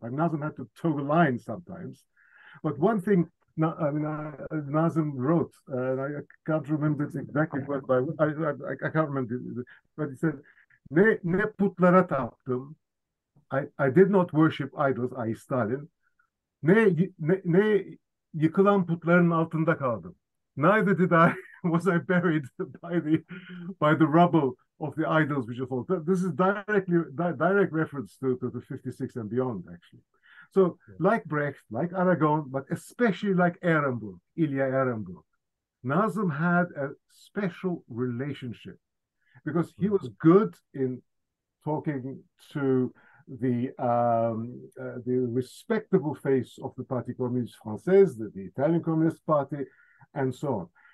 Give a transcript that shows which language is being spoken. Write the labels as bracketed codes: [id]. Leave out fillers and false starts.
[en] And Nazım had to toe the line sometimes. But one thing, Nazım wrote, I can't remember exactly what, I can't remember, but he said, [tr] ne putlara taptım. [en] I did not worship idols, i.e. Stalin. [tr] Ne yıkılan putların altında kaldım. [en] Neither did I. Was I buried by the rubble of the idols which have fallen? This is direct reference to the 56 and beyond, actually. So, yeah. Like Brecht, like Aragon, but especially like Ehrenburg, Ilya Ehrenburg, Nazım had a special relationship because he was good in talking to the respectable face of the Parti Communiste Française, the Italian Communist Party, and so on.